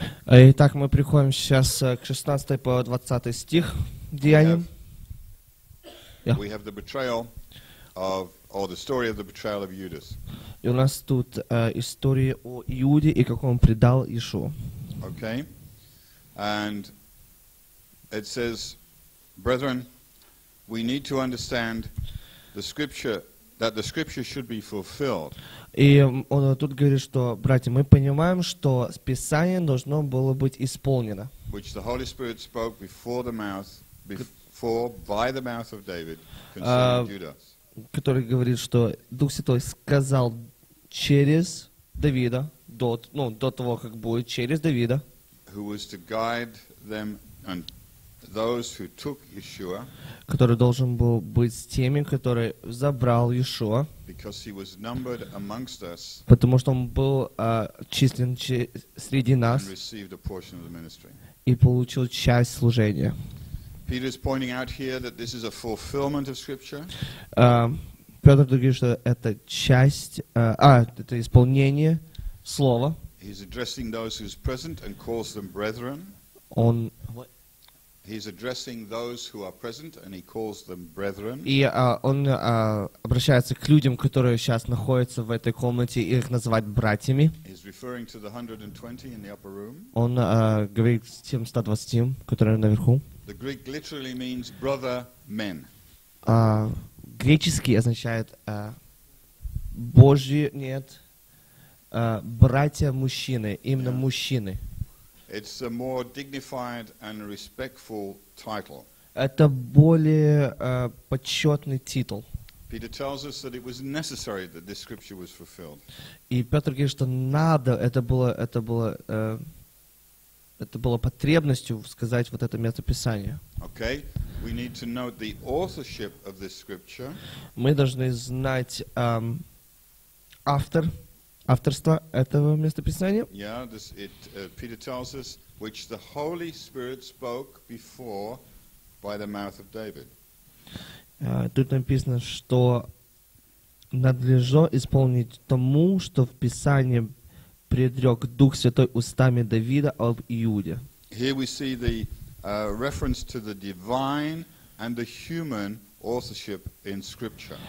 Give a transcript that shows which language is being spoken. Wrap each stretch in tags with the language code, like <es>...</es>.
<ru>Итак, мы приходим сейчас к 16 по 20 стих Деяний.</ru> <en>We have the betrayal of, or the story of the betrayal of Judas.</en> <ru>И у нас тут история о Иуде и как он предал Иешуа.</ru> <en>Okay. And it says, brethren, we need to understand the scripture, that the scripture should be fulfilled.</en> <ru>И он тут говорит, что, братья, мы понимаем, что Писание должно было быть исполнено.</ru> <en>Which the Holy Spirit spoke before the mouth, before, by the mouth of David, concerning Judas.</en> <ru>Который говорит, что Дух Святой сказал через Давида, до того, как будет через Давида.</ru> <en>Who was to guide them and those who took Yeshua,</en> <ru>который должен был быть с теми, который забрал Иешуа,</ru> <en>because he was numbered amongst us,</en> <ru>потому что он был числен среди нас</ru> <en>and received a portion of the ministry.</en> <ru>И получил часть служения.</ru> <en>Peter is pointing out here that this is a fulfillment of scripture.</en> <ru>Петр говорит, что это часть, это исполнение слова.</ru> <en>He's addressing those who's present and calls them brethren.</en> <ru>Он</ru> <en>He's addressing those who are present, and he calls them brethren.</en> <ru>И он обращается к людям, которые сейчас находятся в этой комнате, и их называть братьями.</ru> <en>He's referring to the 120 in the upper room.</en> <ru>Он говорит с тем 120, которые наверху.</ru> <en>The Greek literally means brother men.</en> <ru>Греческий означает Божьи, нет, братья мужчины, именно мужчины.</ru> <en>It's a more dignified and respectful title.</en> <ru>Это более почетный титул.</ru> <en>Peter tells us that it was necessary that this scripture was fulfilled.</en> <ru>И Петр говорит, что надо, это было потребностью сказать вот это место Писания.</ru> <en>Okay, we need to note the authorship of this scripture.</en> <ru>Мы должны знать авторство этого местописания.</ru> <en>Yeah, Peter tells us which the Holy Spirit spoke before by the mouth of David.</en> <ru>Тут написано, что надлежало исполнить тому, что в Писании предрек Дух Святой устами Давида об Иуде.</ru> <en>Here we see the reference to the divine and the human authorship in Scripture.</en>